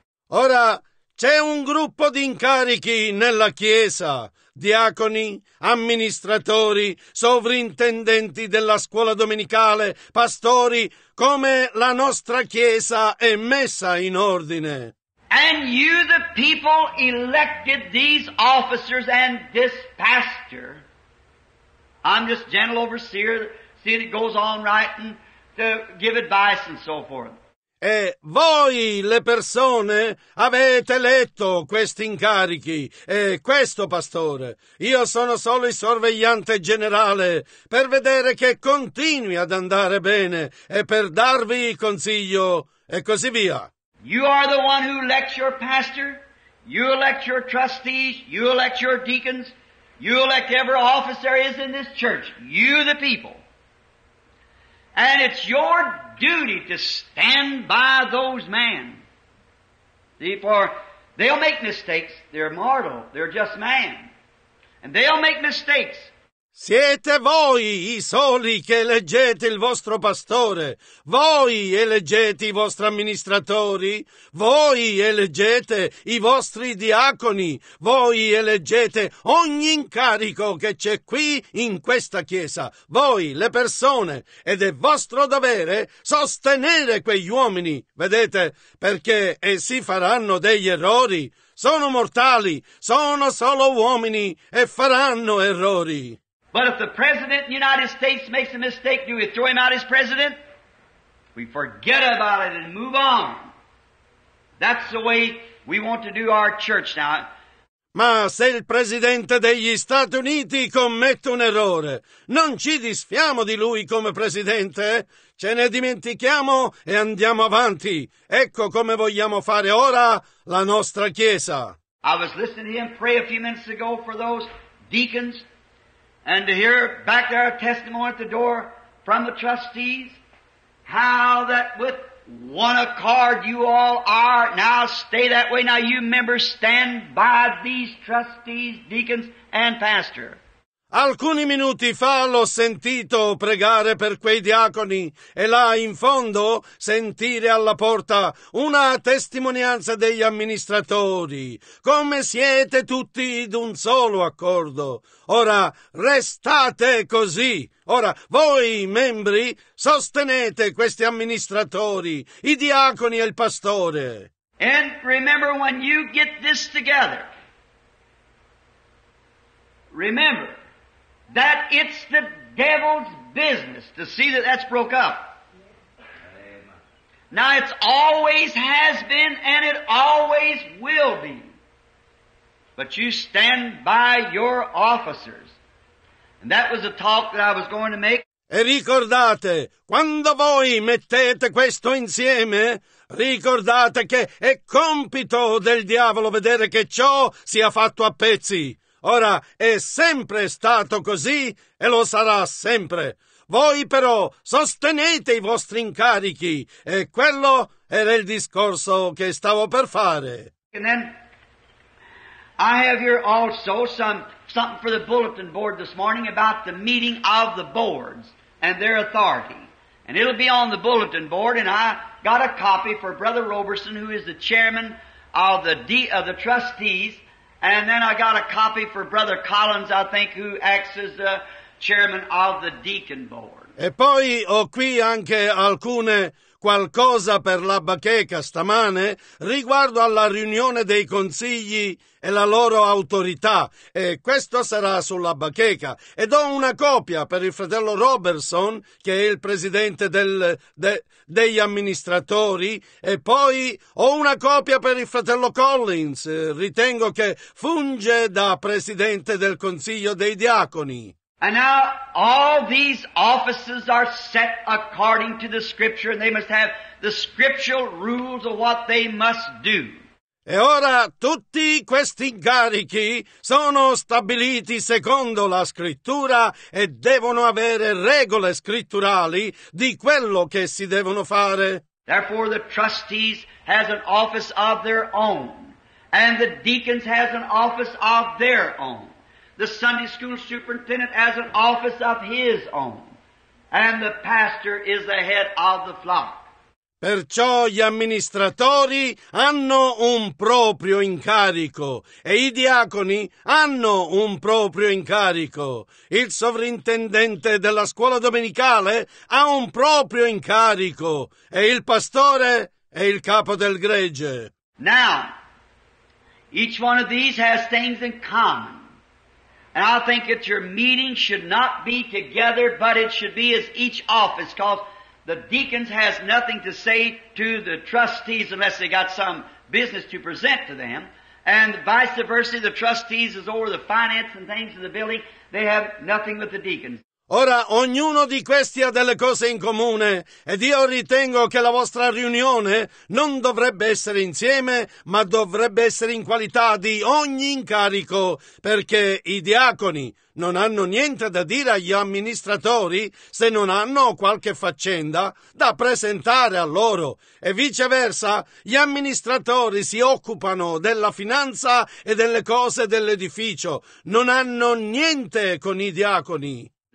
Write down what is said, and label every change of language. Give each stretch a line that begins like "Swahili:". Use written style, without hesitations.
Italian: Ora c'è un gruppo di incarichi nella Chiesa: diaconi, amministratori, sovrintendenti della scuola domenicale, pastori, come la nostra Chiesa è messa in ordine.
English: And you, the people, elected these officers and this pastor. I'm just gentle overseer, seeing it goes on right and to give advice and so forth.
Italian: E voi, le persone, avete eletto questi incarichi e questo pastore. Io sono solo il sorvegliante generale per vedere che continui ad andare bene e per darvi il consiglio e così via.
English: You are the one who elects your pastor, you elect your trustees, you elect your deacons, you elect every officer is in this church, you the people. And it's your duty to stand by those men. See, for they'll make mistakes. They're mortal. They're just man. And they'll make mistakes.
Italian: Siete voi i soli che eleggete il vostro pastore. Voi eleggete i vostri amministratori. Voi eleggete i vostri diaconi. Voi eleggete ogni incarico che c'è qui in questa chiesa. Voi, le persone, ed è vostro dovere sostenere quegli uomini. Vedete, perché essi faranno degli errori. Sono mortali, sono solo uomini e faranno errori.
English: But if the President of the United States makes a mistake, do we throw him out as President? We forget about it and move on. That's the way we want to do our church now.
Italian: Ma se il Presidente degli Stati Uniti commette un errore, non ci disfiamo di lui come Presidente? Ce ne dimentichiamo e andiamo avanti. Ecco come vogliamo fare ora la nostra Chiesa.
English: I was listening to him pray a few minutes ago for those deacons. And to hear back there a testimony at the door from the trustees, how that with one accord you all are, now stay that way, now you members stand by these trustees, deacons, and pastor.
Italian: Alcuni minuti fa l'ho sentito pregare per quei diaconi e là in fondo sentire alla porta una testimonianza degli amministratori. Come siete tutti d'un solo accordo. Ora restate così. Ora voi membri sostenete questi amministratori, i diaconi e il pastore.
English: And remember when you get this together. Remember that it's the devil's business to see that that's broke up. Now it's always has been and it always will be. But you stand by your officers. And that was a talk that I was going to make.
Italian: E ricordate, quando voi mettete questo insieme, ricordate che è compito del diavolo vedere che ciò sia fatto a pezzi. Ora, è sempre stato così e lo sarà sempre. Voi però sostenete i vostri incarichi. E quello era il discorso che stavo per fare.
English: And then I have here also something for the bulletin board this morning about the meeting of the boards and their authority. And it'll be on the bulletin board and I got a copy for Brother Roberson who is the chairman of the trustees. And then I got a copy for Brother Collins, I think, who acts as the chairman of the deacon board.
Italian: E poi ho qui anche alcune qualcosa per la bacheca stamane riguardo alla riunione dei consigli e la loro autorità. E questo sarà sulla bacheca. E do una copia per il fratello Robertson, che è il presidente degli amministratori. E poi ho una copia per il fratello Collins. Ritengo che funge da presidente del consiglio dei diaconi.
English: And now all these offices are set according to the scripture and they must have the scriptural rules of what they must do.
Italian: E ora tutti questi incarichi sono stabiliti secondo la scrittura e devono avere regole scritturali di quello che si devono fare.
English: Therefore the trustees has an office of their own and the deacons has an office of their own. The Sunday school superintendent has an office of his own, and the pastor is the head of the flock.
Italian: Perciò gli amministratori hanno un proprio incarico e i diaconi hanno un proprio incarico. Il sovrintendente della scuola domenicale ha un proprio incarico e il pastore è il capo del gregge.
English: Now, each one of these has things in common. And I think that your meeting should not be together, but it should be as each office, because the deacons has nothing to say to the trustees unless they got some business to present to them. And vice versa, the trustees is over the finance and things of the building. They have nothing with the deacons.
Italian: Ora, ognuno di questi ha delle cose in comune, ed io ritengo che la vostra riunione non dovrebbe essere insieme, ma dovrebbe essere in qualità di ogni incarico, perché i diaconi non hanno niente da dire agli amministratori se non hanno qualche faccenda da presentare a loro, e viceversa, gli amministratori si occupano della finanza e delle cose dell'edificio, non hanno niente con i diaconi.